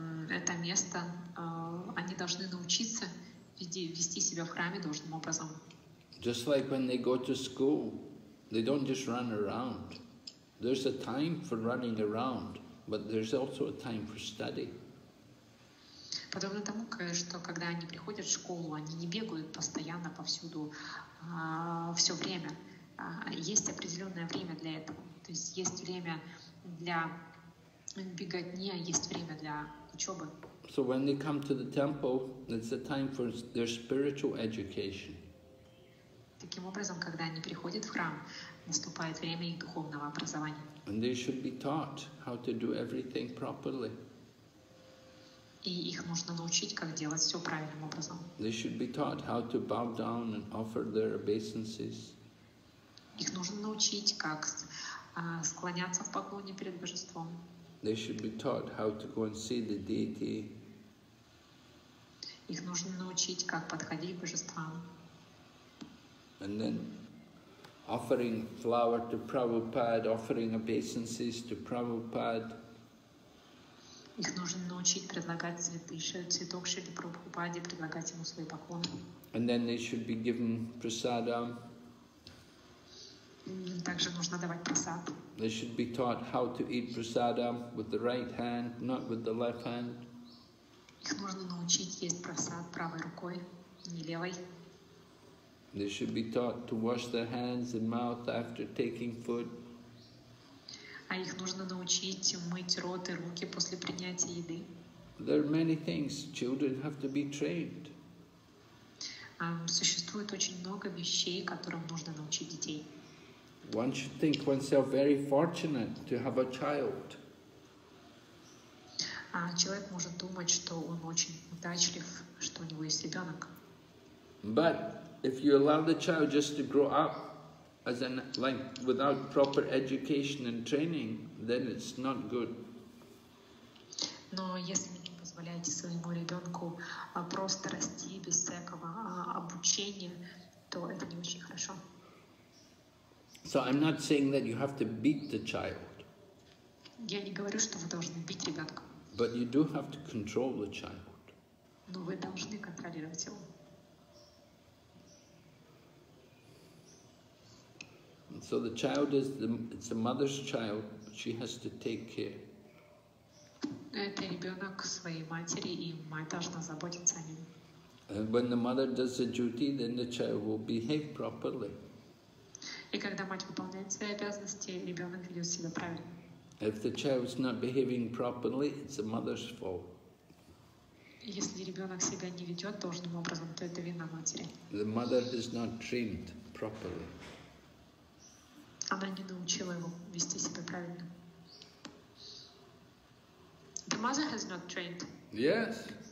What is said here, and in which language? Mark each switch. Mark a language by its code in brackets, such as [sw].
[ru] Это место, они должны научиться вести себя в храме должным образом. [en] Just like when they go to school, they don't just run around. There's a time for running around. But there's also a time for study. [ru] Подобно тому, что когда они приходят в школу, они не бегают постоянно повсюду, все время. есть определенное время для этого. То есть есть время для беготни, а есть время для учебы. [en] So when they come to the temple, it's a time for their spiritual education. [ru] Таким образом, когда они приходят в храм, наступает время их духовного образования. [en] And they should be taught how to do everything properly. [ru] И их нужно научить, как делать все правильным образом. [en] They should be taught how to bow down and offer their obeisances. [ru] Их нужно научить, как склоняться в поклоне перед божеством. [en] They should be taught how to go and see the deity. [ru] Их нужно научить, как подходить к божествам. [en] And then offering flower to Prabhupada, offering obeisances to Prabhupada. [ru] Их нужно научить предлагать цветы, цветок Шри Прабхупаде, предлагать ему свои поклоны. [en] And then they should be given prasadam. [ru] Также нужно давать прасад. [en] They should be taught how to eat prasadam with the right hand, not with the left hand. [ru] Их нужно научить есть прасад правой рукой, не левой. [en] They should be taught to wash their hands and mouth after taking food. [ru] А их нужно научить мыть рот и руки после принятия еды. [en] There are many things children have to be trained. [ru] Существует очень много вещей, которым нужно научить детей. [en] One should think oneself very fortunate to have a child. [ru] Человек может думать, что он очень удачлив, что у него есть ребенок. [en] But if you allow the child just to grow up as an like without proper education and training, then it's not good. [ru] Но если вы не позволяете своему ребенку просто расти без всякого обучения, то это не очень хорошо. [en] So I'm not saying that you have to beat the child. [ru] Я не говорю, что вы должны бить ребенка. [en] But you do have to control the child. [ru] Но вы должны контролировать его. [en] So the child is the it's the mother's child, but she has to take care. [ru] Это ребенок своей матери, и мать должна заботиться о нем. [en] And when the mother does the duty, then the child will behave properly. [ru] И когда мать выполняет свои обязанности, ребенок ведет себя правильно. [en] If the child is not behaving properly, it's the mother's fault. [ru] Если ребенок себя не ведет должным образом, то это вина матери. [en] The mother is not trained properly. [ru] Она не научила его вести себя правильно. [en] The mother has not trained. Yes.